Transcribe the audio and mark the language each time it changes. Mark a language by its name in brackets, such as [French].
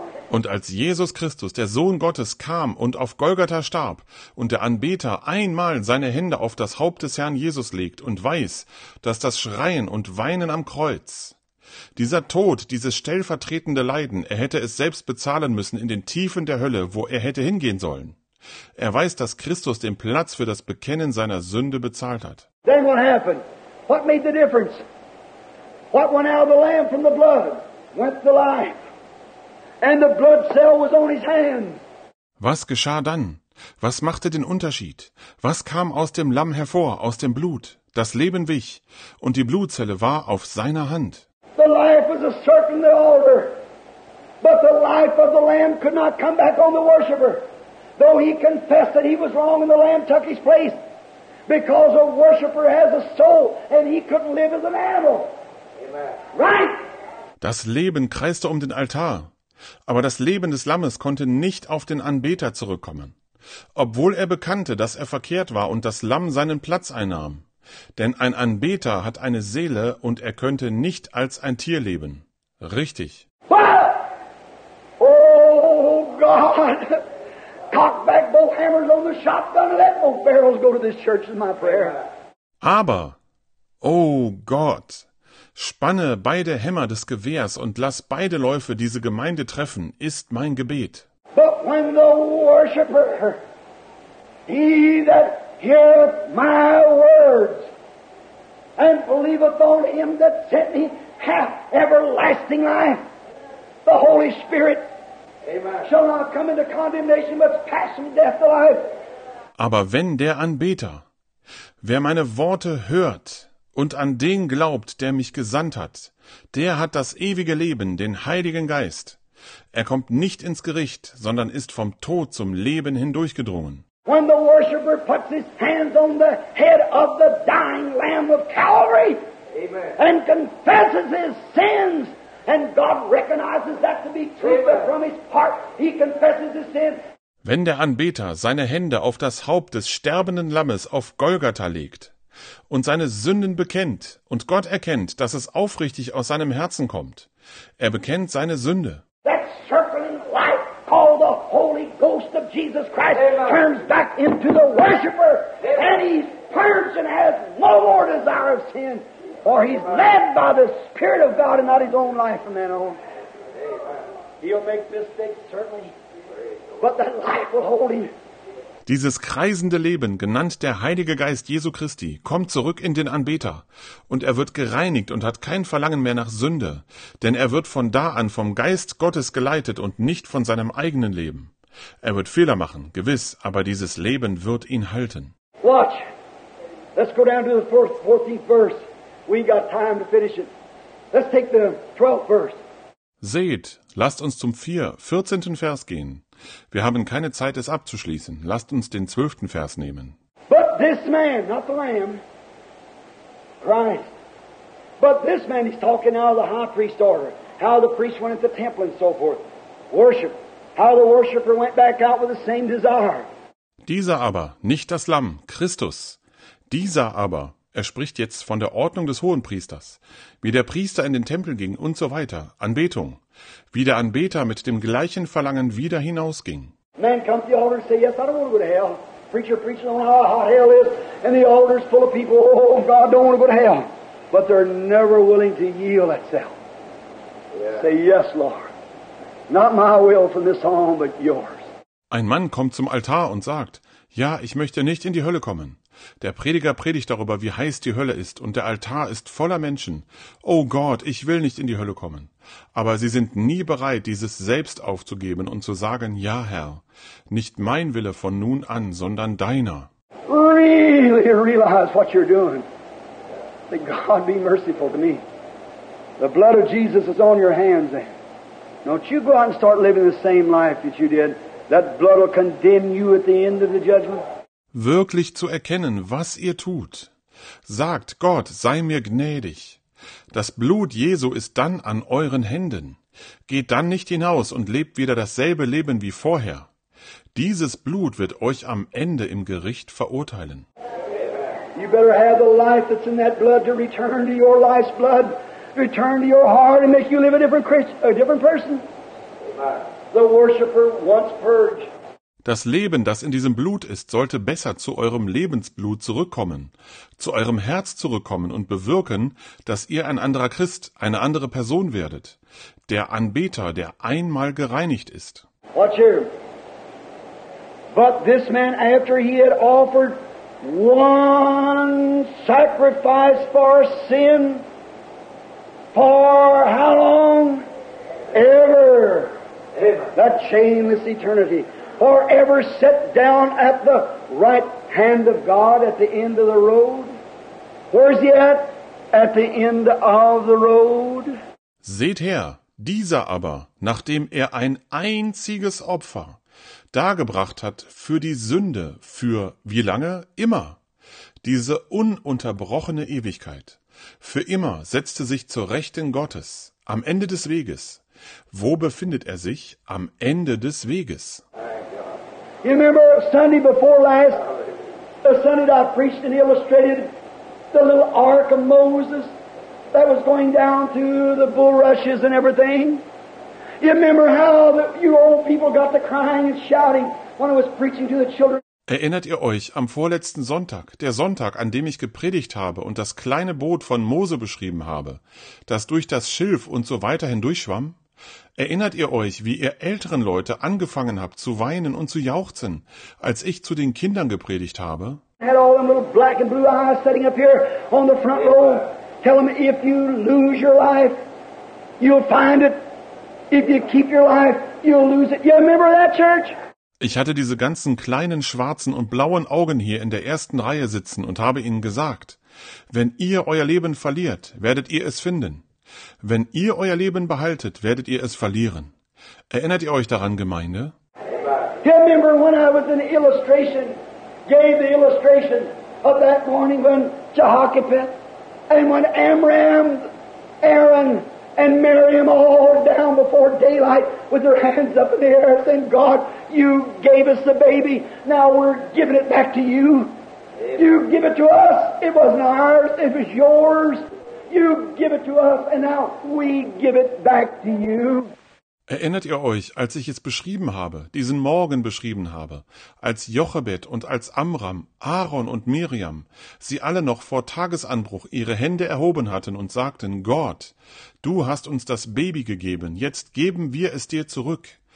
[German] Und als Jesus Christus, der Sohn Gottes, kam und auf Golgatha starb und der Anbeter einmal seine Hände auf das Haupt des Herrn Jesus legt und weiß, dass das Schreien und Weinen am Kreuz, dieser Tod, dieses stellvertretende Leiden, er hätte es selbst bezahlen müssen in den Tiefen der Hölle, wo er hätte hingehen sollen. Er weiß, dass Christus den Platz für das Bekennen seiner Sünde bezahlt hat. [English] Then what happened? What made the difference? What went out of the lamb from the blood went the life. And the blood cell was on his hand. [German] Was geschah dann? Was machte den Unterschied? Was kam aus dem Lamm hervor, aus dem Blut? Das Leben wich und die Blutzelle war auf seiner Hand. [English] The life was a certain the altar. But the life of the lamb could not come back on the worshipper. Though he confessed that he was wrong and the lamb took his place. Because a worshipper has a soul and he couldn't live as an animal. [German] Das Leben kreiste um den Altar, aber das Leben des Lammes konnte nicht auf den Anbeter zurückkommen, obwohl er bekannte, dass er verkehrt war und das Lamm seinen Platz einnahm. Denn ein Anbeter hat eine Seele und er könnte nicht als ein Tier leben. Richtig. Oh Gott! [English] Cock back both hammers on the shotgun and let both barrels go to this church in my prayer. [German] Aber, oh Gott! Spanne beide Hämmer des Gewehrs und lass beide Läufe diese Gemeinde treffen, ist mein Gebet. [English] But when the worshipper, he that heareth my words, and believeth on him that sent me, hath everlasting life. The Holy Spirit Amen. Shall not come into condemnation, but pass from death to life. [German] Aber wenn der Anbeter, wer meine Worte hört und an den glaubt, der mich gesandt hat, der hat das ewige Leben, den Heiligen Geist. Er kommt nicht ins Gericht, sondern ist vom Tod zum Leben hindurchgedrungen. [English] When the worshiper puts his hands on the head of the dying Lamb of Calvary Amen. And confesses his sins, and God recognizes that to be truth Amen. From his heart, he confesses his sins. [German] Wenn der Anbeter seine Hände auf das Haupt des sterbenden Lammes auf Golgatha legt und seine Sünden bekennt und Gott erkennt, dass es aufrichtig aus seinem Herzen kommt, er bekennt seine Sünde. [English] That circling light called the Holy Ghost of Jesus Christ Amen. Turns back into the worshiper Amen. And he's purged and has no more desire of sin, for he's Amen. Led by the Spirit of God and not his own life from then on. Amen. He'll make mistakes, certainly. But that life will hold him. [German] Dieses kreisende Leben, genannt der Heilige Geist Jesu Christi, kommt zurück in den Anbeter, und er wird gereinigt und hat kein Verlangen mehr nach Sünde, denn er wird von da an vom Geist Gottes geleitet und nicht von seinem eigenen Leben. Er wird Fehler machen, gewiss, aber dieses Leben wird ihn halten. [English] Watch. Let's go down to the 14th verse. We got time to finish it. Let's take the 12th verse. [German] Seht, lasst uns zum 14. Vers gehen. Wir haben keine Zeit, es abzuschließen. Lasst uns den 12. Vers nehmen. [English] But this man, not the Lamb, Christ. But this man, he's talking now of the high priest order, how the priest went into the temple and so forth. Worship. How the worshiper went back out with the same desire. [German] Dieser aber, nicht das Lamm, Christus. Dieser aber. Er spricht jetzt von der Ordnung des Hohenpriesters, wie der Priester in den Tempel ging und so weiter, Anbetung, wie der Anbeter mit dem gleichen Verlangen wieder hinausging. [English] Man comes to the altar and says, yes, I don't want to go to hell. Preacher preaching on how hot hell is, and the altar is full of people, oh God, don't want to go to hell. But they're never willing to yield itself. Yeah. Say, yes, Lord, not my will from this on, but yours. [German] Ein Mann kommt zum Altar und sagt, ja, ich möchte nicht in die Hölle kommen. Der Prediger predigt darüber, wie heiß die Hölle ist, und der Altar ist voller Menschen. Oh Gott, ich will nicht in die Hölle kommen. Aber sie sind nie bereit, dieses selbst aufzugeben und zu sagen, ja, Herr, nicht mein Wille von nun an, sondern deiner. [English] Really realize what you're doing. May God be merciful to me. The blood of Jesus is on your hands. Don't you go out and start living the same life that you did. That blood will condemn you at the end of the judgment. [German] Wirklich zu erkennen, was ihr tut. Sagt, Gott, sei mir gnädig. Das Blut Jesu ist dann an euren Händen. Geht dann nicht hinaus und lebt wieder dasselbe Leben wie vorher. Dieses Blut wird euch am Ende im Gericht verurteilen. [English] You better have the life that's in that blood to return to your life's blood, return to your heart and make you live a different person. The worshiper once purged. [German] Das Leben, das in diesem Blut ist, sollte besser zu eurem Lebensblut zurückkommen, zu eurem Herz zurückkommen und bewirken, dass ihr ein anderer Christ, eine andere Person werdet. Der Anbeter, der einmal gereinigt ist. [English] Watch here. But this man, after he had offered one sacrifice for sin, for how long? Ever. That shameless eternity. Forever sit down at the right hand of God at the end of the road? Where is he at? At the end of the road? [German] Seht her, dieser aber, nachdem er ein einziges Opfer dargebracht hat für die Sünde, für wie lange? Immer. Diese ununterbrochene Ewigkeit. Für immer setzte sich zur Rechten Gottes, am Ende des Weges. Wo befindet er sich? Am Ende des Weges. [English] You remember Sunday before last, the Sunday that I preached and illustrated the little ark of Moses that was going down to the bulrushes and everything? You remember how you old people got to crying and shouting when I was preaching to the children? [German] Erinnert ihr euch am vorletzten Sonntag, der Sonntag, an dem ich gepredigt habe und das kleine Boot von Mose beschrieben habe, das durch das Schilf und so weiter hindurchschwamm? Erinnert ihr euch, wie ihr älteren Leute angefangen habt zu weinen und zu jauchzen, als ich zu den Kindern gepredigt habe? [English] Had all them little black and blue eyes sitting up here on the front row, tell them, if you lose your life, you'll find it. If you keep your life, you'll lose it. You remember that, church? [German] Ich hatte diese ganzen kleinen schwarzen und blauen Augen hier in der ersten Reihe sitzen und habe ihnen gesagt, wenn ihr euer Leben verliert, werdet ihr es finden. Wenn ihr euer Leben behaltet, werdet ihr es verlieren. Erinnert ihr euch daran, Gemeinde? [English] You remember when I was in the illustration, gave the illustration of that morning when Jehoshaphat and when Amram, Aaron and Miriam all down before daylight with their hands up in the air saying, God, you gave us the baby, now we're giving it back to you. You give it to us, it wasn't ours, it was yours. You give it to us and now we give it back to you. [German] Erinnert ihr euch, als ich es beschrieben habe, diesen Morgen beschrieben habe, als Jochebed und als Amram, Aaron und Miriam, sie alle noch vor Tagesanbruch ihre Hände erhoben hatten und sagten, Gott, du hast uns das Baby gegeben, jetzt geben wir es dir zurück.